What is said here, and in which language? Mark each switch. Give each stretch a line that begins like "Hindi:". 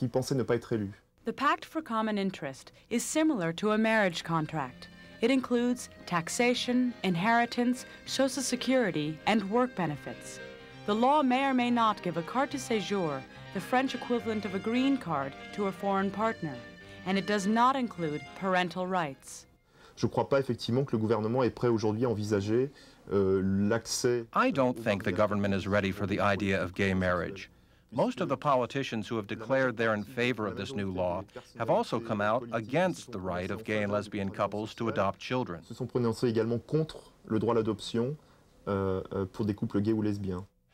English: The Pact for Common Interest is similar to a marriage contract. It includes taxation, inheritance, social security, and work benefits. The law may or may not give a carte de séjour, the French equivalent of a green card, to a foreign partner, and it does not include parental rights.
French: Je crois pas effectivement que le gouvernement est prêt aujourd'hui à envisager l'accès.
English: I don't think the government is ready for the idea of gay marriage. Most of the politicians who have declared they're in favor of this new law have also come out against the right of gay and lesbian couples to adopt children.
French: Se sont prononcés également contre le droit à l'adoption pour des couples gays ou lesbiens.